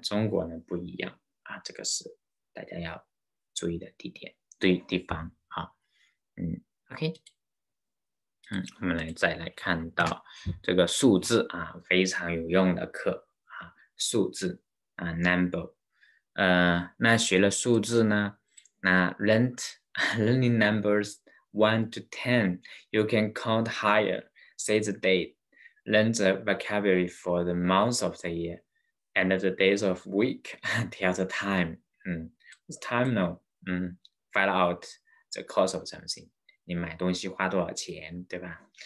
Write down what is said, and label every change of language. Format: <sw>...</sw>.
<zh>中国呢不一样啊，这个是大家要注意的地点、对地方啊。 OK，我们再来看到这个数字啊，非常有用的课啊，数字。 number，那学了数字呢？</zh> <en>那 learning numbers 1 to 10, you can count higher, say the date, learn the vocabulary for the months of the year, and the days of week, tell the time. What's time now? Find out the cost of something.</en> <zh>你买东西花多少钱，对吧？</zh>